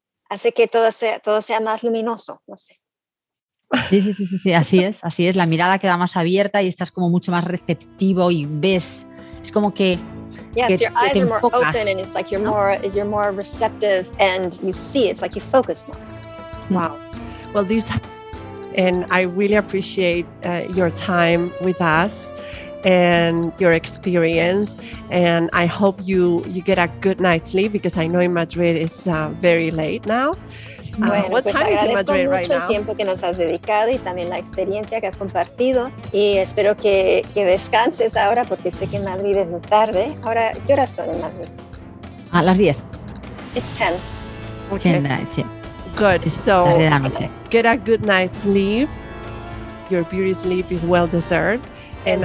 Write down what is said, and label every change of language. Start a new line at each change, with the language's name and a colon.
Spanish: Hace que todo sea más luminoso, no sé. Sí, así es. La mirada queda más abierta y estás como mucho más receptivo y ves. Es como que...
English: Yes, your eyes are more open and it's like you're more receptive and you see, it's like you focus more. Wow. Well, this... And I really appreciate your time with us and your experience, and I hope you get a good night's sleep, because I know in Madrid it's very late now. Bueno, what time is in Madrid right now?
Spanish: Mucho el tiempo que nos has dedicado y también la experiencia que has compartido, y espero que descanses ahora, porque sé que en Madrid es muy tarde. Ahora, ¿qué horas son en Madrid? A las 10.
English: It's 10. Okay. 10. Good. So, get a good night's sleep. Your beauty sleep is well deserved. And